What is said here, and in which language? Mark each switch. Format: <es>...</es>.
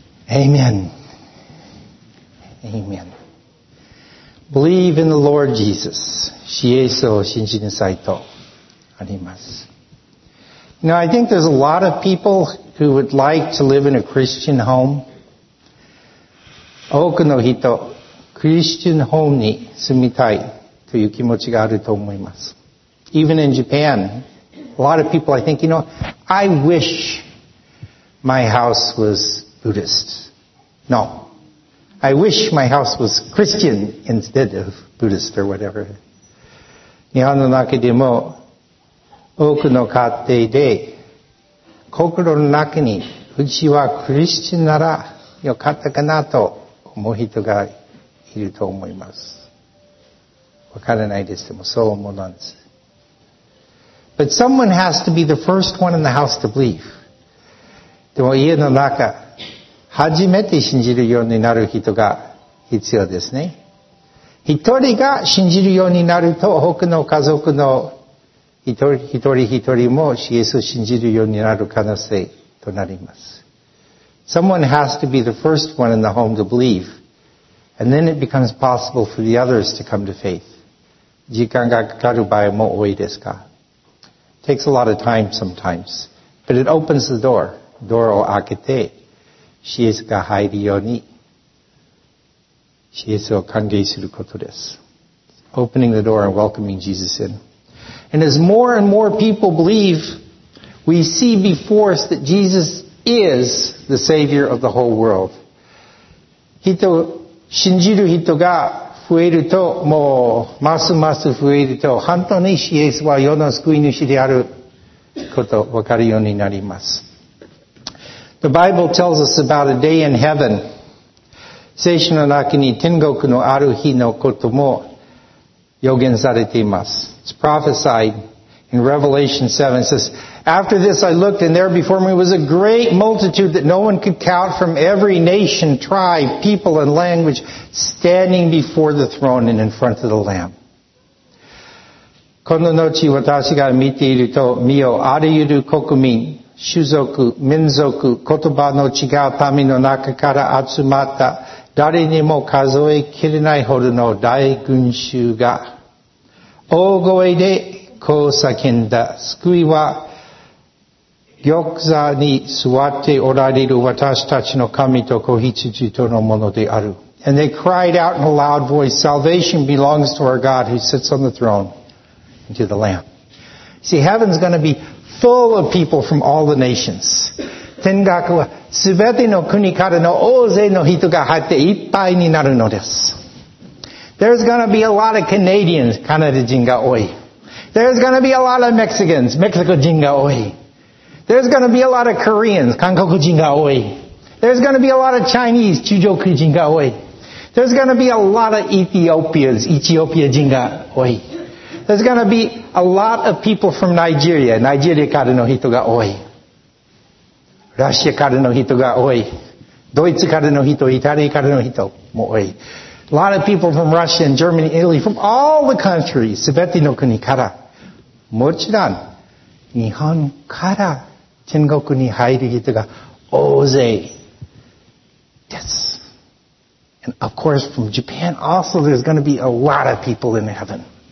<en>Amen. Amen. Believe in the Lord Jesus.</en> <ja>シエスを信じなさいとあります。</ja> <en>Now, I think there's a lot of people who would like to live in a Christian home.</en> <ja>多くの人、クリスチャンホームに住みたいという気持ちがあると思います。</ja> <en>Even in Japan, a lot of people, I think, you know, I wish my house was Buddhist. No. I wish my house was Christian instead of Buddhist or whatever.</en> <ja>日本の中でも多くの家庭で心の中にうちはクリスチャンならよかったかなと思う人がいると思います。わからないですでもそう思うなんです。</ja> <en>But someone has to be the first one in the house to believe.</en> <ja>でも家の中、初めて信じるようになる人が必要ですね。一人が信じるようになると、他の家族の一人一人もイエスを信じるようになる可能性となります。</ja> <en>Someone has to be the first one in the home to believe, and then it becomes possible for the others to come to faith.</en> <ja>時間がかかる場合も多いですか?</ja> <en>It takes a lot of time sometimes, but it opens the door.</en> <ja>ドアを開けて、シエスが入るように、シエスを歓迎することです。</ja> <en>Opening the door and welcoming Jesus in. And as more and more people believe, we see before us that Jesus is the Savior of the whole world.</en> <ja>信じる人が増えると、もう、ますます増えると、本当にシエスは世の救い主であること、わかるようになります。</ja> <en>The Bible tells us about a day in heaven.</en> <ja>聖書の中に天国のある日のことも予言されています。</ja> <en>It's prophesied in Revelation 7. It says, After this I looked and there before me was a great multitude that no one could count from every nation, tribe, people and language standing before the throne and in front of the Lamb.</en> <ja>この後私が見ていると、見よ、あらゆる国民、種族、民族、言葉の違う民の中から集まった誰にも数えきれないほどの大群衆が大声でこう叫んだ救いは玉座に座っておられる私たちの神と子羊とのものである。</ja> <en>And they cried out in a loud voice, Salvation belongs to our God who sits on the throne and to the Lamb. See, heaven's going to beFull of people from all the nations.</en> <ja>天国は全ての国からの大勢の人が入っていっぱいになるのです。</ja> <en>There's gonna be a lot of Canadians,</en> <ja>カナダ人が多い。</ja> <en>There's gonna be a lot of Mexicans,</en> <ja>メキシコ人が多い。</ja> <en>There's gonna be a lot of Koreans,</en> <ja>韓国人が多い。</ja> <en>There's gonna be a lot of Chinese,</en> <ja>中国人が多い。</ja> <en>There's gonna be a lot of Ethiopians,</en> <ja>エチオピア人が多い。</ja> <en>There's going to be a lot of people from Nigeria.</en> <ja>Nigeria からの人が多い。ロシアからの人が多い。ドイツからの人、イタリアからの人も多い。</ja> <en>A lot of people from Russia and Germany, Italy, from all the countries,</en> <ja>全ての国から。もちろん、日本から天国に入る人が大勢です。</ja> <en>And of course, from Japan also, there's going to be a lot of people in heaven.</en>